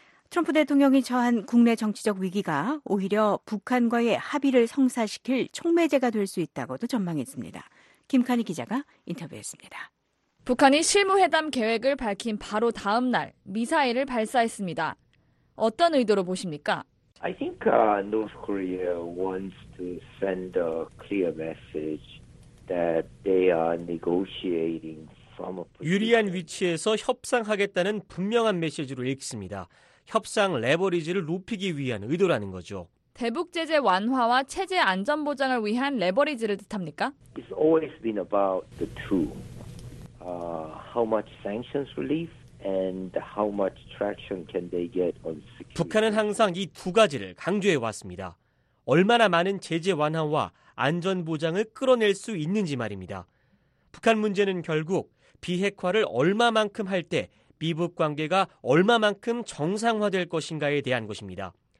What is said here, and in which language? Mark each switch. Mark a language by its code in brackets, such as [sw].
[ko] 트럼프 대통령이 처한 국내 정치적 위기가 오히려 북한과의 합의를 성사시킬 촉매제가 될 수 있다고도 전망했습니다. 김카니 기자가 인터뷰했습니다. 북한이 실무회담 계획을 밝힌 바로 다음 날 미사일을 발사했습니다. 어떤 의도로 보십니까? [en] I think North Korea wants to send a clear message that they are negotiating from a position. [ko] 유리한 위치에서 협상하겠다는 분명한 메시지로 읽습니다. 협상 레버리지를 높이기 위한 의도라는 거죠. 대북 제재 완화와 체제 안전 보장을 위한 레버리지를 뜻합니까? [en] It's always been about the two. How much sanctions relief and how much traction can they get on security? [ko] 북한은 항상 이 두 가지를 강조해 왔습니다. 얼마나 많은 제재 완화와 안전 보장을 끌어낼 수 있는지 말입니다. 북한 문제는 결국 비핵화를 얼마만큼 할 때 미북 관계가 얼마만큼 정상화될 것인가에 대한 것입니다.